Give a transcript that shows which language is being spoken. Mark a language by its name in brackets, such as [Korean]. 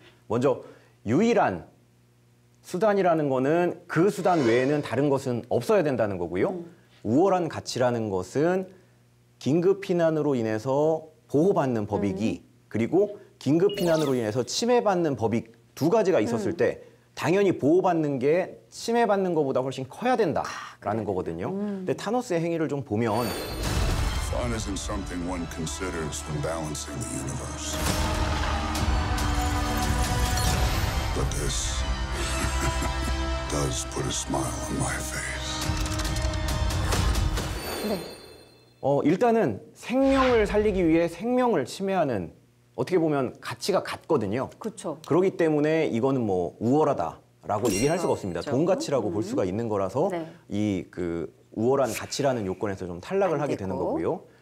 [Korean] 먼저 유일한 수단이라는 것은 그 수단 외에는 다른 것은 없어야 된다는 거고요. 우월한 가치라는 것은 긴급피난으로 인해서 보호받는 법익이 그리고 긴급피난으로 인해서 침해받는 법익 두 가지가 있었을 때 당연히 보호받는 게 침해받는 것보다 훨씬 커야 된다라는 그래. 거거든요. 근데 타노스의 행위를 좀 보면 [English] Fun isn't something one considers when balancing the universe. But this does put a smile on my face. [Korean] 네. 일단은 생명을 살리기 위해 생명을 침해하는 어떻게 보면 가치가 같거든요. 그렇죠. 그렇기 때문에 이거는 뭐 우월하다라고 얘기를 할 수가 없습니다. 그쵸? 돈 가치라고 볼 수가 있는 거라서 네. 이 그 우월한 가치라는 요건에서 좀 탈락을 하게 되는 거고요.